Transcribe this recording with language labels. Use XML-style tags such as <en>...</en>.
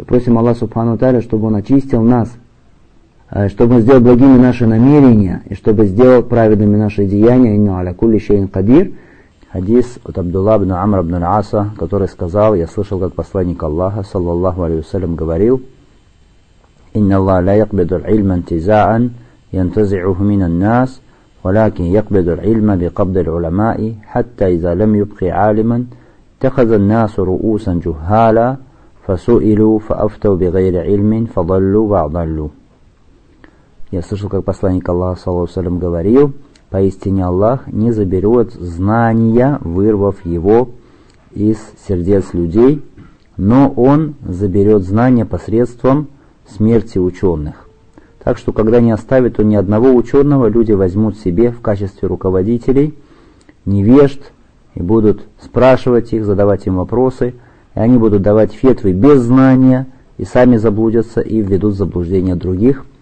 <ru>И просим Аллаха Субхану Тааля, чтобы он очистил нас, чтобы он сделал благими наши намерения, и чтобы сделал праведными наши деяния.</ru> <ar>Инна аля кулли шейин кадир.</ar> <ru>Хадис от Абдулла ибн Амра ибн Аса, который сказал: я слышал, как посланник Аллаха, саллаллаху алейхи вассалям, говорил:</ru> <ar>Инна Аллах ля якбиду аль-ильма интиза'ан ينتزعه من الناس، ولكن يقبض العلم بقبض العلماء، حتى إذا لم يبقي عالما اتخذ الناس رؤوسا جهالا، فسئلوا فأفتوا بغير علم فضلوا وأضلوا.</ar> <ru>Я слышал, как посланник Аллаха, саллаллаху алейхи ва саллям, говорил: «Поистине Аллах не заберет знания, вырвав его из сердец людей, но Он заберет знания посредством смерти ученых. Так что, когда не оставит Он ни одного ученого, люди возьмут себе в качестве руководителей невежд и будут спрашивать их, задавать им вопросы, и они будут давать фетвы без знания, и сами заблудятся и введут в заблуждение других».</ru>